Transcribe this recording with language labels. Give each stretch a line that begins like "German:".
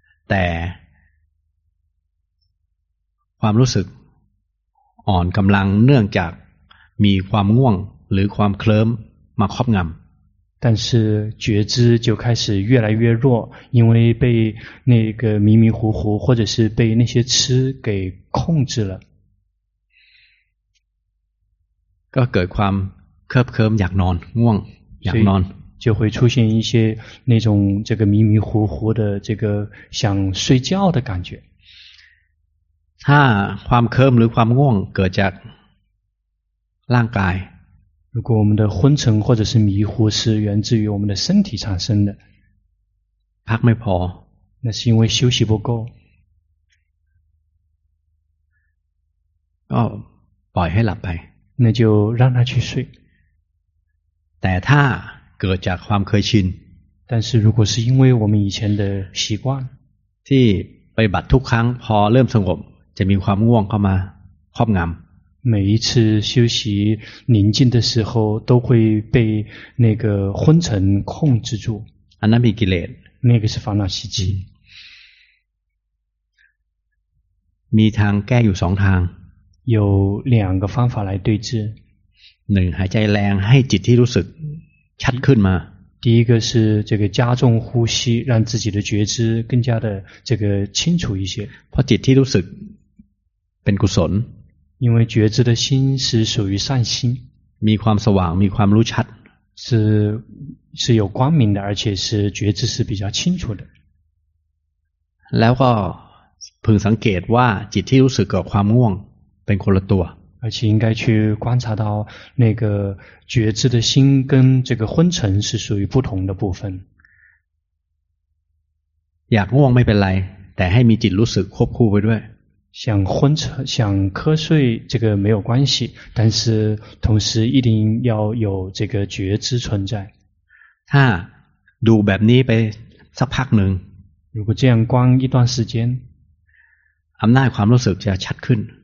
Thai: แต่ความรู้สึกอ่อนกำลังเนื่องจากมีความง่วงหรือความเคลิ้มมาครอบงำ
Chinese: 但是觉知就开始越来越弱因为被那个迷迷糊糊或者是被那些痴给控制了
Thai: ก็เกิดความเคลิ้มเคลิ้มอยากนอนง่วงอยากนอน
Chinese: 就会出现一些那种这个迷迷糊糊的这个想睡觉的感觉
Thai: ถ้าความเคลิ้มหรือความง่วงเกิดจากร่างกาย
Chinese: 如果我们的昏沉或者是迷糊是源自于我们的身体产生的
Thai: พักไม่พอ
Chinese: 那是因为休息不够
Thai: ก็ปล่อยให้หลับไป
Chinese: 那就让他去睡
Thai: แต่ถ้าเกิดจากความเคยชิน
Chinese: 但是如果是因为我们以前的习惯
Thai: ที่ไปบัดทุกครั้งพอเริ่มสงบจะมีความง่วงเข้ามาครอบงำ
Chinese: 每一次休息宁静的时候都会被那个昏沉控制住
Thai: อันนั้นมีกิเลส
Chinese: 那个是烦恼习气
Thai: มีทางแก้อยู่สองทาง
Chinese: 有两个方法来对治
Thai: หนึ่งหายใจแรงให้จิตที่รู้สึกชัดขึ้นมา
Chinese: 第一个是这个加重呼吸让自己的觉知更加的这个清楚一些
Thai: เพราะจิตที่รู้สึกเป็นกุศล
Chinese: 因为觉知的心是属于善心
Thai: มีความสว่างมีความรู้ชัด
Chinese: 是有光明的而且是觉知是比较清楚的
Thai: แล้วก็พึงสังเกตว่าจิตที่รู้สึกกับความง่วงเป็นคนละตัว
Chinese: 而且应该去观察到那个觉知的心跟这个昏沉是属于不同的部分
Thai: อยากง่วงไม่เป็นไรแต่ให้มีจิตรู้สึกควบคู่ไปด้วย
Chinese: 想昏沉想瞌睡这个没有关系但是同时一定要有这个觉知存在
Thai: ถ้าดูแบบนี้ไปสักพักหนึ่ง
Chinese: 如果这样观一段时间
Thai: อำนาจความรู้สึกจะชัดขึ้น